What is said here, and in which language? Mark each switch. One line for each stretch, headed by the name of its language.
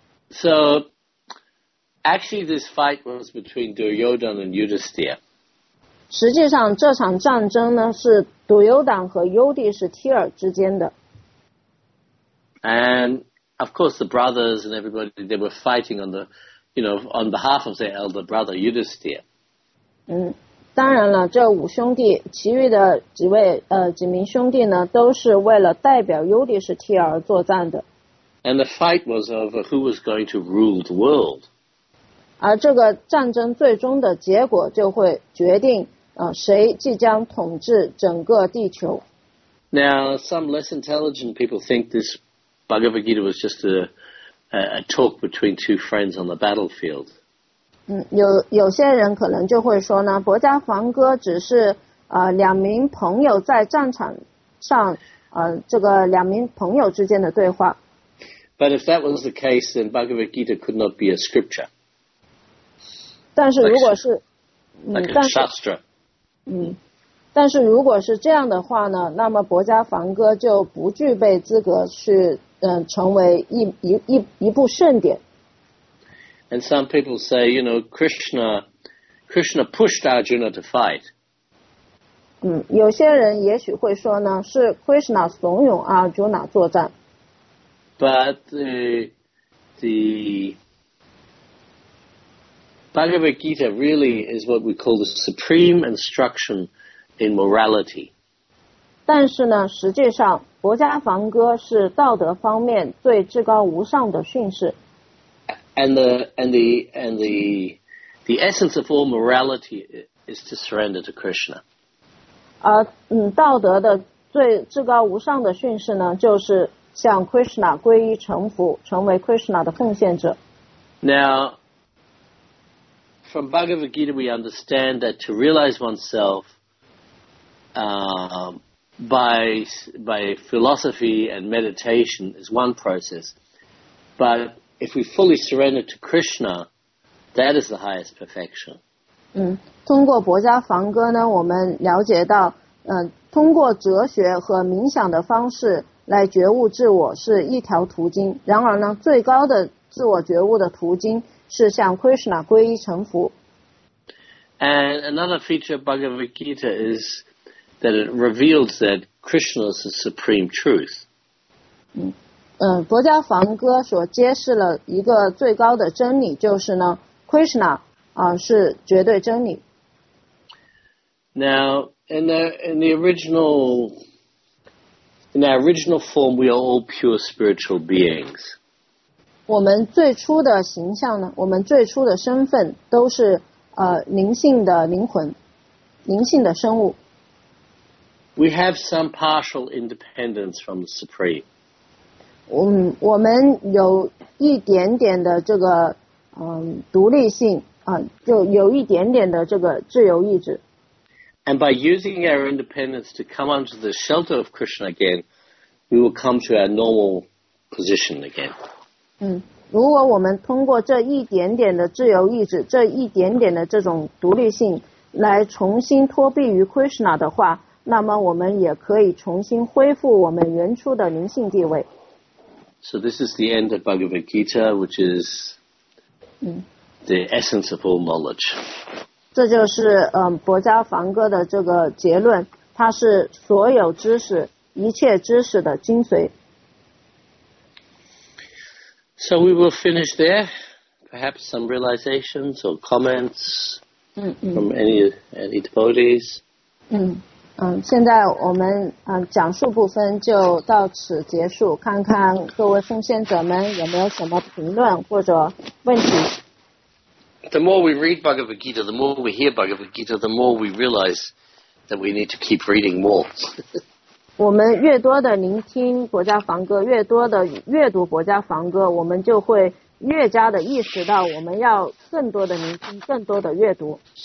English: So, actually this fight was between Duryodhana and Yudhisthira.
Chinese: 实际上这场战争呢是 Duryodhana 和 Yudhisthira 之间的。
English: And, of course, the brothers and everybody, they were fighting on behalf of their elder brother, Yudhisthira.
Chinese: 当然了，这五兄弟，其余的几位几名兄弟呢，都是为了代表优迪士提而作战的。
English: And the fight was over who was going to rule the world.
Chinese: 而这个战争最终的结果就会决定谁即将统治整个地球。
English: Now, some less intelligent people think this Bhagavad Gita was just a talk between two friends on the battlefield.
Chinese: 有些人可能就会说呢，博迦梵歌只是两名朋友在战场上这个两名朋友之间的对话。
English: But if that was the case, then Bhagavad Gita could not be a scripture.
Chinese: 但是如果是
English: like a shastra.
Chinese: 但是如果是这样的话呢，那么博迦梵歌就不具备资格去成为一部圣典。
English: And some people say, you know, Krishna pushed Arjuna to fight.
Chinese: 有些人也许会说呢，是 Krishna 怂恿 Arjuna 作战。
English: But the Bhagavad Gita really is what we call the supreme instruction in morality.
Chinese: 但是呢，实际上博迦梵歌是道德方面最至高无上的训示。
English: And the essence of all morality is to surrender to Krishna.
Chinese: 道德的最至高无上的训示呢，就是向 Krishna 皈依臣服，成为 Krishna 的奉献者。
English: Now, from Bhagavad Gita, we understand that to realize oneself by philosophy and meditation is one process. But if we fully surrender to Krishna, that is the highest perfection.
Chinese: 通过博家房歌呢，我们了解到，通过哲学和冥想的方式来觉悟自我是一条途径。然而呢，最高的自我觉悟的途径是向 Krishna 皈依臣服。
English: And another feature of Bhagavad Gita is that it reveals that Krishna is the supreme truth.
Chinese: 博家房歌所揭示了一个最高的真理，就是呢 ，Krishna。是绝对真理。
English: Now, in our original form, we are all pure spiritual beings.
Chinese: 我们最初的形象呢？我们最初的身份都是灵性的灵魂，灵性的生物。
English: We have some partial independence from the Supreme.
Chinese: 我们有一点点的这个独立性。就有一点点的这个自由意志。
English: And by using our independence to come under the shelter of Krishna again, we will come to our normal position again.
Chinese: 如果我们通过这一点点的自由意志，这一点点的这种独立性，来重新脱避于 Krishna 的话，那么我们也可以重新恢复我们原初的灵性地位。
English: So this is the end of Bhagavad Gita, which is... The essence of all knowledge.
Chinese: 这就是博家梵歌的这个结论，它是所有知识，一切知识的精髓。
English: So we will finish there. Perhaps some realizations or comments from any devotees.
Chinese: 现在我们讲述部分就到此结束，看看各位奉献者们有没有什么评论或者问题。
English: The more we read Bhagavad Gita, the more we hear Bhagavad Gita, the more we realize that we need to keep reading more.
Chinese: 我们越多的聆听博家梵歌，越多的阅读博家梵歌，我们就会越加的意识到我们要更多的聆听，更多的阅读。